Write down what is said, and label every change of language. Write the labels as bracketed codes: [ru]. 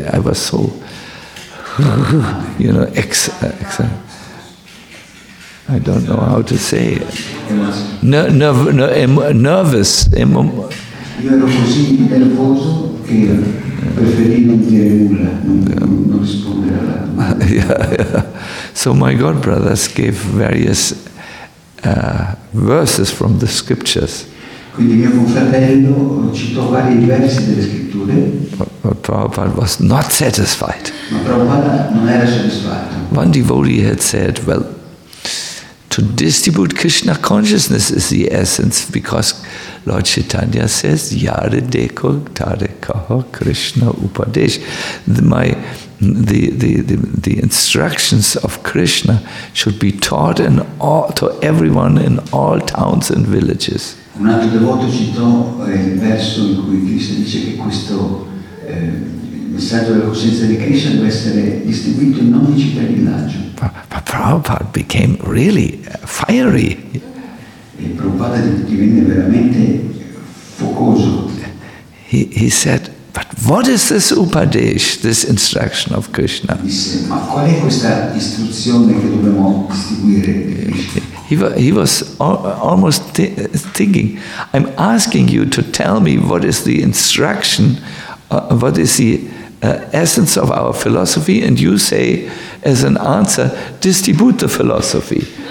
[en] I was so, you know, I don't know how to say it. Nervous. [it] Io ero così nervoso che preferì non dire nulla, non rispondere alla domanda. [en] So my god brothers gave various verses from the scriptures. [it] Quindi mio fratello citò vari versi delle scritture. [en] But Prabhupada was not satisfied. [it] Ma Prabhupada non era soddisfatto. [en] One devotee had said, well, to distribute Krishna consciousness is the essence because Lord Chaitanya says, [bn] Yare Deko Tare Kaho Krishna Upadesh. [en] The instructions of Krishna should be taught in all, to everyone in all towns and villages. [it] Un altro devoto citò il verso in cui Krishna dice che questo messaggio della coscienza di Krishna deve essere distribuito in ogni città e villaggio. [en] But Prabhupada became really fiery. [it] E Prabhupada divenne veramente focoso. [en] He said, but what is this upadesh, this instruction of Krishna? [it] Ma qual è questa istruzione che dobbiamo distribuire? [en] He was almost thinking, I'm asking you to tell me what is the instruction, what is the essence of our philosophy, and you say, as an answer, distribute the philosophy.